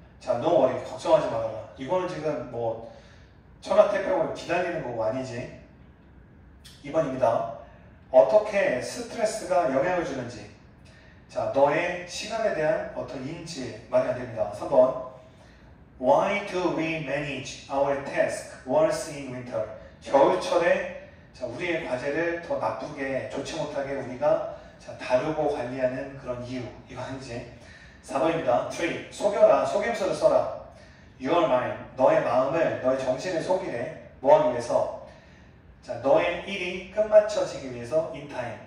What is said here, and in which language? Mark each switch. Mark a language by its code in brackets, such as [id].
[ko] 자, [en] no worry, [ko] 걱정하지 말아라. 이거는 지금 뭐 천하태평을 기다리는 거고 아니지. 2번입니다. 어떻게 스트레스가 영향을 주는지. 자, 너의 시간에 대한 어떤 인지 말이 안 됩니다. 3번. [en] Why do we manage our task worse in winter? [ko] 겨울철에 자, 우리의 과제를 더 나쁘게, 좋지 못하게 우리가 자, 다루고 관리하는 그런 이유. 이거 아니지. 4번입니다. 3. 속여라. 속임수를 써라. [en] Your mind. [ko] 너의 마음을, 너의 정신을 속이래. 뭐하기 위해서? 자, 너의 일이 끝마쳐지기 위해서 [en] in time.